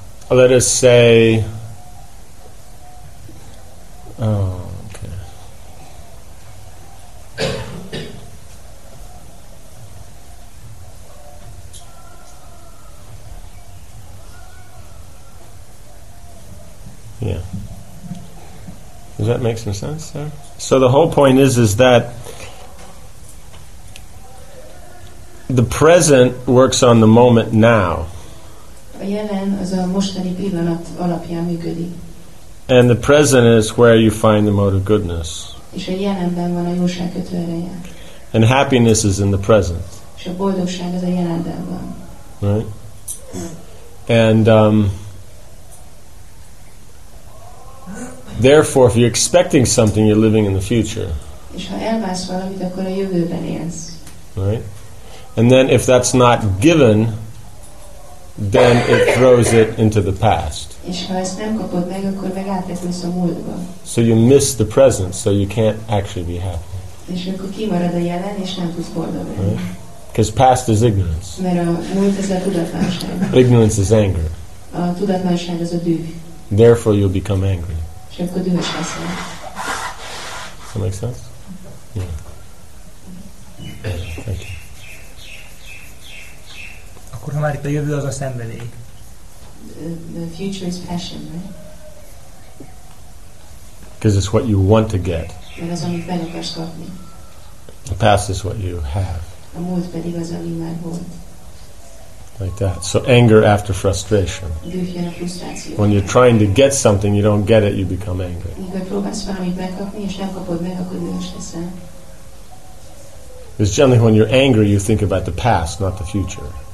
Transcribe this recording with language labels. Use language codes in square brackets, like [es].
[en] Let us say, does that make some sense there? So the whole point is that the present works on the moment now. [hu] A jelen az a mostani pillanat alapján működik. [en] And the present is where you find the mode of goodness. [hu] És a jelenben van a jóság kötőereje. [en] And happiness is in the present. [hu] És a boldogság az a jelenben van. [en] Right? And therefore, if you're expecting something, you're living in the future. [hu] És ha elvársz valamit, akkor a jövőben élsz. [en] Right? And then if that's not given, then it throws it into the past. [hu] És ha ezt nem kapod meg, akkor meg átvesz a múltba. [en] So you miss the present, so you can't actually be happy. [hu] És akkor kimarad a jelen, és nem tudsz boldog lenni. [en] Right? Because past is ignorance. [hu] Mert a múlt az a tudatlanság. [en] Ignorance is anger. [hu] A tudatlanság az a düh. [en] Therefore, you'll become angry. Does that make sense? Yeah. Thank you. [hu] Akkor ha már itt a jövő, az a szenvedély. [en] The future is passion, right? Because it's what you want to get. [hu] Mert az, amit meg akarsz kapni. [en] The past is what you have. [hu] A múlt pedig az, ami már volt. [en] Like that. So anger after frustration. When you're trying to get something, you don't get it, you become angry. It's generally when you're angry, you think about the past, not the future.